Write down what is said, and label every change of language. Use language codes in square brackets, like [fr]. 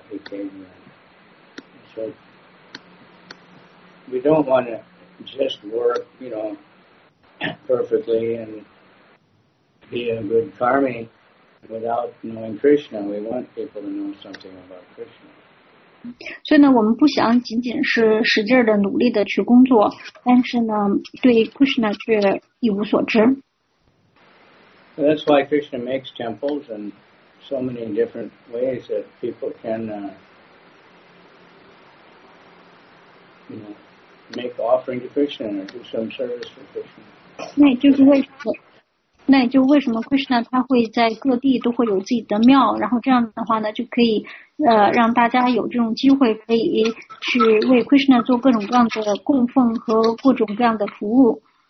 [en] So we don't want to just work, you know, perfectly and be a good karmi without knowing Krishna. We want people to know something about Krishna. [zh] 所以呢，我们不想仅仅是使劲的努力的去工作，但是呢，对 Krishna 却一无所知。 [en] That's why Krishna makes temples and so many different ways that people can, you know, make offering to Krishna or do some service for Krishna. [zh] 那就为什么 Krishna 他会在各地都会有自己的庙，然后这样的话呢，就可以让大家有这种机会可以去为 Krishna 做各种各样的供奉和各种各样的服务。